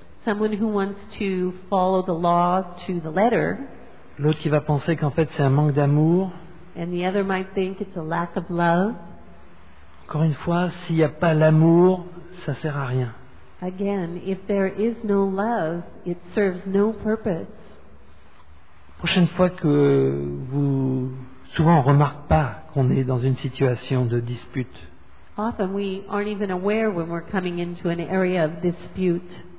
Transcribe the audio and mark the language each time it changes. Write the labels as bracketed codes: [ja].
[en] Someone who wants to follow the law to the letter. [fr] L'autre qui va penser qu'en fait c'est un manque d'amour. [en] And the other might think it's a lack of love. [fr] Encore une fois, s'il n'y a pas l'amour, ça ne sert à rien. [en] Again, if there is no love, it serves no purpose. [fr] Prochaine fois que vous, souvent on remarque pas qu'on est dans une situation de dispute. [en] Often we aren't even aware when we're coming into an area of dispute.